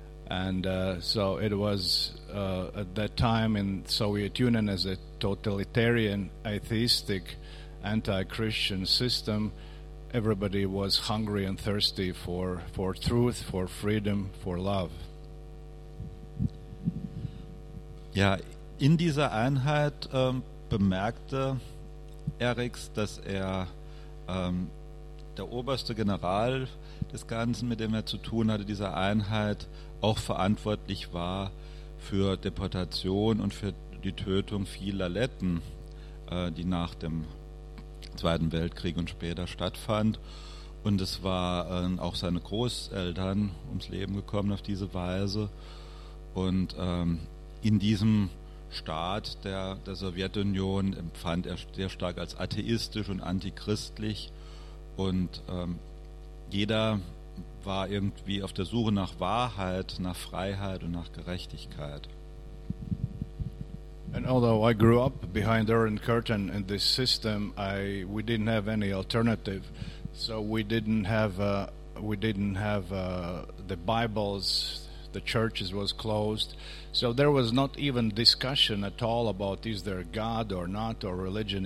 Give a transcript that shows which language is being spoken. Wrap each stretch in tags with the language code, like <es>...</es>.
<en>And so it was at that time in Soviet Union as a totalitarian, atheistic, anti-Christian system, everybody was hungry and thirsty for truth, for freedom, for love.</en> <de>Ja, in dieser Einheit bemerkte Eriks, dass er der oberste General des Ganzen, mit dem er zu tun hatte, dieser Einheit, auch verantwortlich war für Deportation und für die Tötung vieler Letten, die nach dem Zweiten Weltkrieg und später stattfand. Und es war auch seine Großeltern ums Leben gekommen auf diese Weise. Und in diesem Staat der Sowjetunion empfand er sehr stark als atheistisch und antichristlich. Und jeder war irgendwie auf der Suche nach Wahrheit, nach Freiheit und nach Gerechtigkeit.</de> <en>And although I grew up behind the Iron Curtain in this system, we didn't have any alternative. So we didn't have the Bibles. The churches was closed. So there was not even discussion at all about is there God or not or religion.</en>